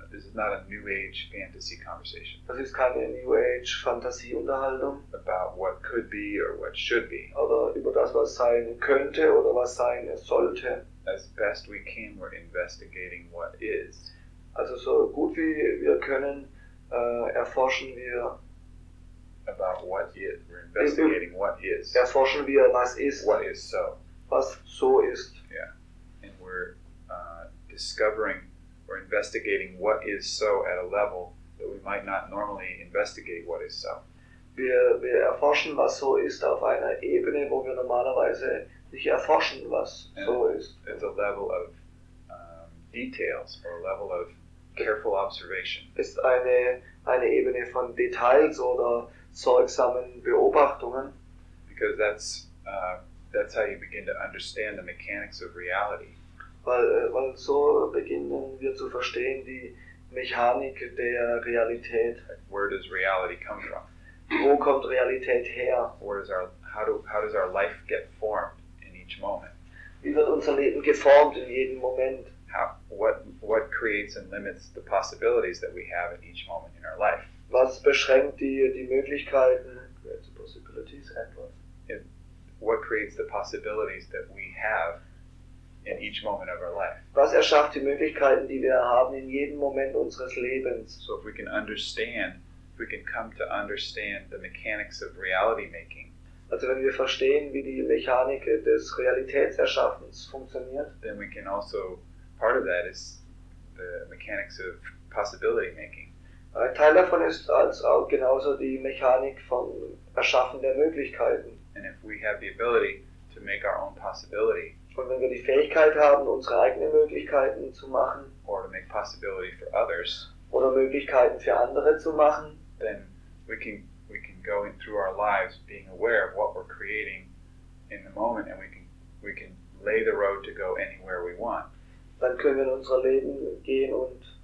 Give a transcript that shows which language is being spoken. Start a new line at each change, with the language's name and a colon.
English: This is not a New Age fantasy conversation.
German: Das ist keine New Age Fantasieunterhaltung
English: about what could be or what should be,
German: oder über das, was sein könnte oder was sein sollte.
English: As best we can, we're investigating what is.
German: Also so gut wie wir können, erforschen wir
English: about what is. We're investigating what is.
German: Erforschen wir, was ist.
English: What is so.
German: Was so ist.
English: Yeah. And we're discovering, we're investigating what is so at a level that we might not normally investigate what is so.
German: Wir erforschen, was so ist, auf einer Ebene, wo wir normalerweise nicht erforschen, was
English: and
German: so ist.
English: It's a level of details, or a level of careful observation.
German: Ist eine Ebene von Details oder sorgsamen Beobachtungen.
English: Because that's how you begin to understand the mechanics of reality.
German: Weil so beginnen wir zu verstehen die Mechanik der Realität.
English: Where does reality come from?
German: Wo kommt Realität her?
English: Where is our, how does our life get formed in each moment?
German: Wie wird unser Leben geformt in jedem Moment?
English: What creates and limits the possibilities that we have in each moment in our life?
German: Was beschränkt die Möglichkeiten?
English: Creates the possibilities and what? What creates the possibilities that we have in each moment of our life?
German: Was erschafft die Möglichkeiten, die wir haben in jedem Moment unseres Lebens?
English: So if we can understand, if we can come to understand the mechanics of reality making.
German: Also wenn wir verstehen, wie die Mechanik des Realitätserschaffens funktioniert,
English: then we can also, part of that is the mechanics of possibility making.
German: Ein Teil davon ist als auch genauso die Mechanik vom Erschaffen der Möglichkeiten.
English: And if we have the ability to make our own possibility,
German: und wenn wir die Fähigkeit haben, unsere eigenen Möglichkeiten zu machen,
English: or to make possibility for others,
German: oder Möglichkeiten für andere zu machen,
English: then we can go in through our lives being aware of what we're creating in the moment, and we can lay the road to go anywhere we want.
German: Dann können wir in unser Leben gehen und